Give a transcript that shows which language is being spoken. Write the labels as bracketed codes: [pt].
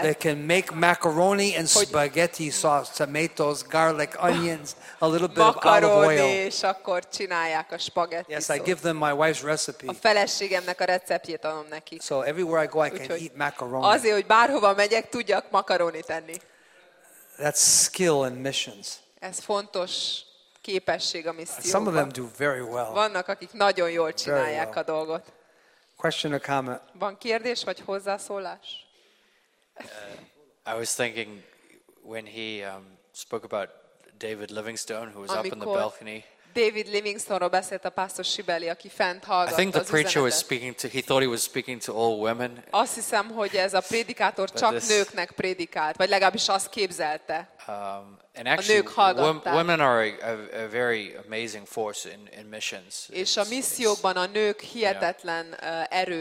[en] They can make macaroni and spaghetti sauce, tomatoes, garlic, onions, a little bit of olive oil. [hu] És akkor csinálják a spagetti [en] sauce. Yes, I give them my wife's recipe. [hu] A feleségemnek a receptjét adom nekik. [en] So everywhere I go, I can eat macaroni. [hu] Azért, hogy bárhova megyek, tudjak makaroni tenni. [en] That's skill in missions. [hu] Ez fontos képesség a misszióban. [en] Some of them do very well. [hu] Vannak, akik nagyon jól csinálják a dolgot. [en] Question or comment? [hu] Van kérdés vagy hozzászólás? [en] I was thinking when he spoke about David Livingstone who was up in the balcony. [hu] David Livingstone-ról beszélt a pásztor Sibeli, aki fent hallgatta az üzenetet. [en] I think the preacher was speaking to, he thought he was speaking to all women. [hu] Azt hiszem, hogy ez a prédikátor csak nőknek prédikált, vagy legalábbis azt képzelte. [en] And actually, women are a very amazing force in missions. [hu] És a missziókban a nők hihetetlen erő.